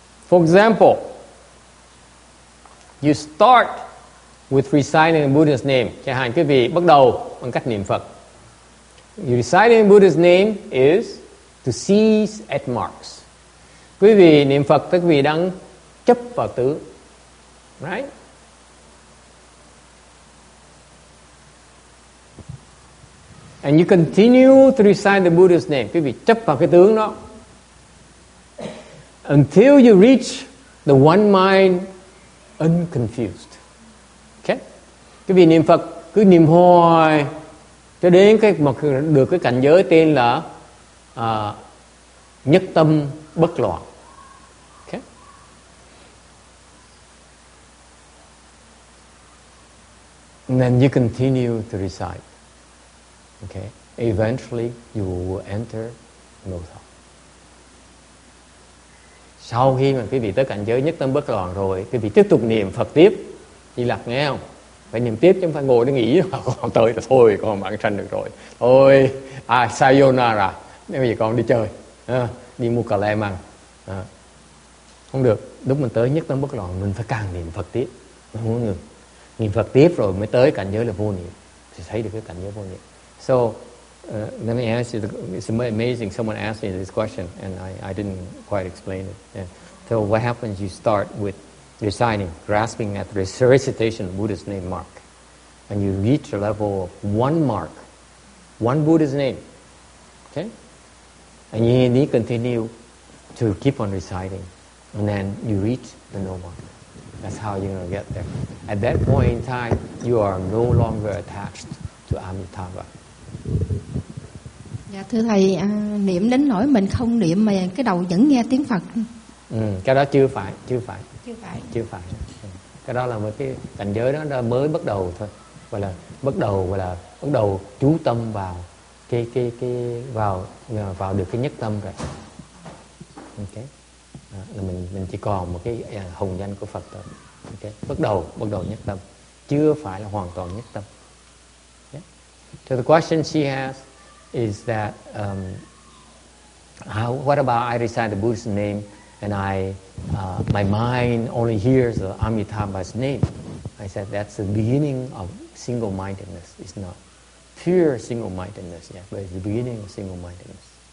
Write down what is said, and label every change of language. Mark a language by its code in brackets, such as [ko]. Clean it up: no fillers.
[en] For example, you start with reciting Buddha's name. [vi] Chẳng hạn quý vị bắt đầu bằng cách niệm Phật. [en] You reciting Buddha's name is to cease at marks. [vi] Quý vị niệm Phật tức quý vị đang chấp vào tứ. [en] Right? And you continue to recite the Buddha's name. [vi] Quý vị chấp vào cái tướng đó. [en] Until you reach the one mind unconfused. Okay? [vi] Quý vị niệm Phật cứ niệm hoài cho đến cái một được cái cảnh giới tên là nhất tâm bất loạn. [en] Okay? And then you continue to recite. Okay? Eventually you will enter no thought. [vi] Sau khi mà quý vị tới cảnh giới nhất tâm bất loạn rồi, quý vị tiếp tục niệm Phật tiếp. Chị Lạc nghe không? Phải niệm tiếp chứ không phải ngồi để nghỉ. Còn tới là thôi, con bản sanh được rồi. Thôi, sayonara. Nếu bây giờ con đi chơi, đi mua cà lê măng. Không được, lúc mình tới nhất tâm bất loạn, mình phải càng niệm Phật tiếp. Không ngừng. Niệm Phật tiếp rồi mới tới cảnh giới là vô niệm. Thì thấy được cái cảnh giới vô niệm. [en] So, let me ask you, it's amazing someone asked me this question and I didn't quite explain it. Yeah. So what happens, you start with reciting, grasping at the recitation of Buddha's name mark. And you reach a level of one mark, one Buddha's name. Okay? And you need to continue to keep on reciting. And then you reach the no mark. That's how you're going to get there. At that point in time, you are no longer attached to Amitabha. [vi] Dạ thưa thầy, niệm đến nỗi mình không niệm mà cái đầu vẫn nghe tiếng Phật. Cái đó chưa phải. Chưa phải. Cái đó là một cái cảnh giới đó mới bắt đầu thôi. Gọi là bắt đầu chú tâm vào cái vào được cái nhất tâm rồi. Ok. Đó, là mình chỉ còn một cái hồng danh của Phật thôi. Ok. Bắt đầu nhất tâm, chưa phải là hoàn toàn nhất tâm. [en] Okay. So the question she has is that what about I recite the Buddha's name and my mind only hears the Amitabha's name? I said that's the beginning of single-mindedness. It's not pure single-mindedness, yeah, but it's the beginning of single-mindedness.